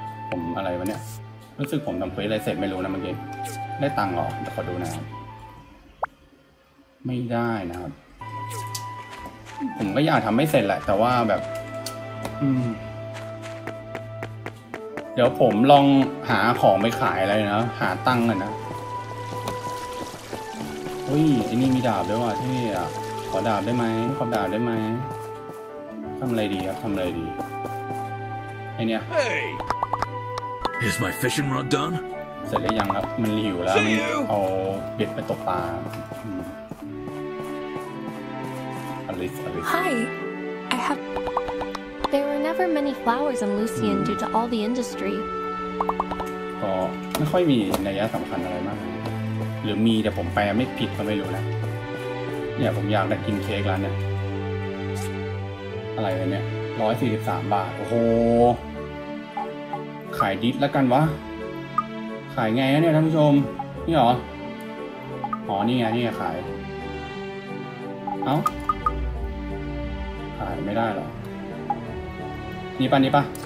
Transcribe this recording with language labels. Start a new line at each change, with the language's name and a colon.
Thai: ผมอะไรวะเนี่ยรู้สึกผมทำเควสอะไรเสร็จไม่รู้นะเมื่อกี้ได้ตังค์หรอเดี๋ยวขอดูนะครับไม่ได้นะครับผมก็อยากทำไม่เสร็จแหละแต่ว่าแบบเดี๋ยวผมลองหาของไปขายอะไรนะหาตังค์กันนะเฮ้ยไอ้นี่มีดาบด้วยว่ะที่ขอดาบได้ไหมขอดาบได้ไหมทำอะไรดีครับทำอะไรดีไอเนี้ย
English: hey. Is my fishing rod done?
Thai: เสร็จแล้วยังครับมันหิวแล้วมันเอาเบ็ดไปตกปลาอลิซ
English: Hi I have There were never many flowers in Lucien due to all the industry
Thai: ก็ไม่ค่อยมีนัยยะสำคัญอะไรมากหรือมีแต่ผมแปลไม่ผิดก็ไม่รู้นะเนี่ยผมอยากได้กินเค้กแล้วเนี่ยอะไรเนี่ย143บาทโอ้โหขายดิสแล้วกันวะขายไงเนี่ยท่านผู้ชมนี่หรออ๋อนี่ไงนี่ไงขายเอ้าขายไม่ได้หรอนี่ป่ะนี่ป่ะ